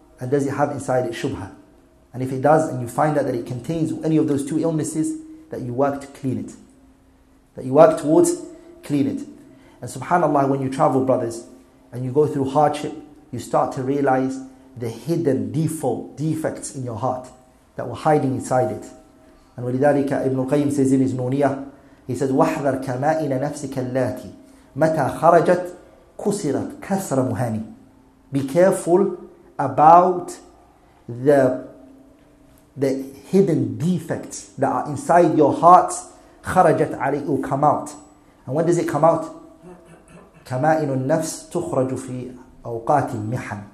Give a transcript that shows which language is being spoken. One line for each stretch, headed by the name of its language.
English: And does it have inside it shubha? And if it does, and you find out that it contains any of those two illnesses, that you work to clean it. That you work towards clean it. And subhanAllah, when you travel, brothers, and you go through hardship, you start to realize the hidden defects in your heart that were hiding inside it.
Arabic: And ولذلك Ibn Qayyim
English: says in his Nuniyah, he says,
Arabic: وَحْذَرْ كَمَائِنَ نَفْسِكَ اللَّاتِي مَتَى خَرَجَتْ كُسِرَتْ كَسْرَ مُهَانِي.
English: Be careful about the hidden defects that are inside your heart.
Arabic: خَرَجَتْ عَلَيْهُ
English: come out. And when does it come out?
Arabic: كَمَائِنُ النَّفْسِ تُخْرَجُ فِي أَوْقَاتِ مِحَنِ.